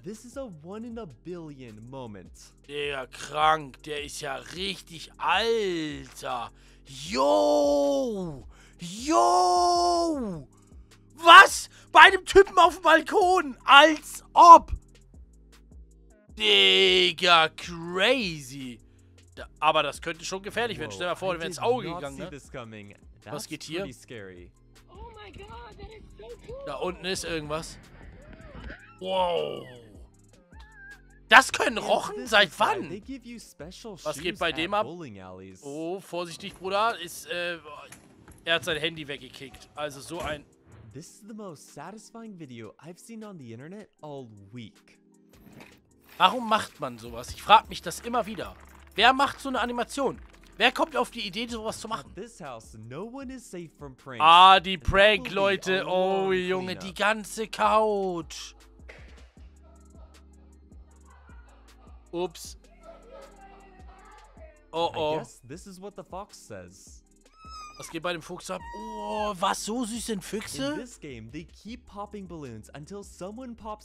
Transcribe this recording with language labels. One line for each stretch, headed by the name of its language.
English: This is a one in a billion moment.
German: Der krank, der ist ja richtig alter. Yo! Yo! Was? Bei einem Typen auf dem Balkon, als ob. Digga, crazy. Da, aber das könnte schon gefährlich werden. Stell dir mal vor, wenn ins Auge gegangen wäre. Was geht hier?
English: Oh my God, that is so cool.
German: Da unten ist irgendwas. Wow. Das können Rochen? Seit wann? Was geht bei dem ab? Oh, vorsichtig, Bruder. Er hat sein Handy weggekickt. Also so ein...
English: This is the most satisfying video I've seen on the internet all week.
German: Warum macht man sowas? Ich frage mich das immer wieder. Wer macht so eine Animation? Wer kommt auf die Idee, sowas zu machen?
English: This house, no one is safe from
German: pranks. Ah, die Prank-Leute. Oh, Junge, die ganze Couch. Ups. Oh, oh.
English: I guess this is what the fox says.
German: Was geht bei dem Fuchs ab? Oh, was, so süß sind Füchse?
English: In this game, they keep popping balloons until someone pops